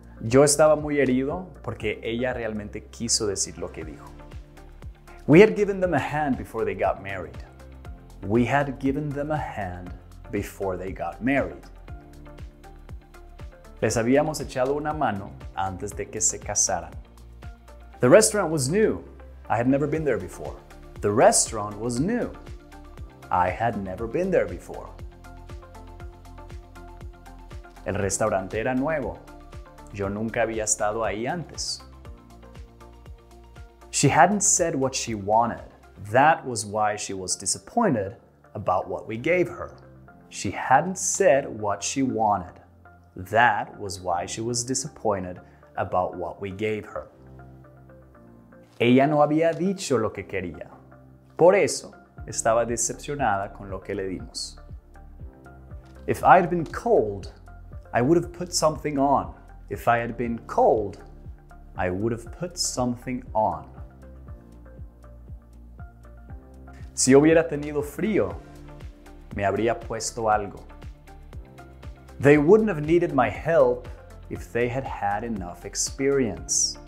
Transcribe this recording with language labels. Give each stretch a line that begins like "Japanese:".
Spanish: Yo estaba muy herido porque ella realmente quiso decir lo que dijo.
English: We had given them a hand before they got married. We had given them a hand before they got married.
Spanish: Les habíamos echado una mano antes de que se casaran.
English: The restaurant was new. I had never been there before. The restaurant was new. I had never been there before.
Spanish: El restaurante era nuevo. Yo nunca había estado ahí antes.
English: She hadn't said what she wanted. That was why she was disappointed about what we gave her. She hadn't said what she wanted. That was why she was disappointed about what we gave her.
Spanish: Ella no había dicho lo que quería. Por eso, estaba decepcionada con lo que le dimos.
English: If I'd been cold, I would have put something on. If I had been cold, I would have put something on.
Spanish: Si hubiera tenido frío, me habría puesto algo.
English: They wouldn't have needed my help if they had had enough experience.